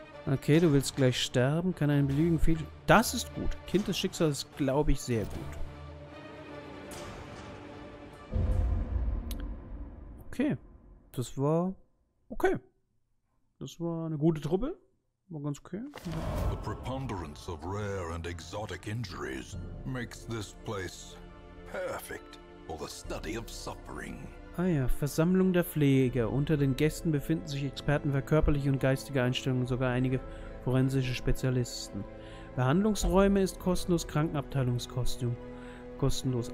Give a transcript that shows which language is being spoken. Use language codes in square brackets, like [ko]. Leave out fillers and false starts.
[de] Okay, du willst gleich sterben. Kann einen belügen. Viel. Das ist gut. Kind des Schicksals ist, glaube ich, sehr gut. Okay. Das war... Okay. Das war eine gute Truppe. War ganz okay. [en] The preponderance of rare and exotic injuries makes this place perfect for the study of suffering. [de] Ah ja, Versammlung der Pfleger. Unter den Gästen befinden sich Experten für körperliche und geistige Einstellungen, sogar einige forensische Spezialisten. Behandlungsräume ist kostenlos, Krankenabteilungskostüm kostenlos.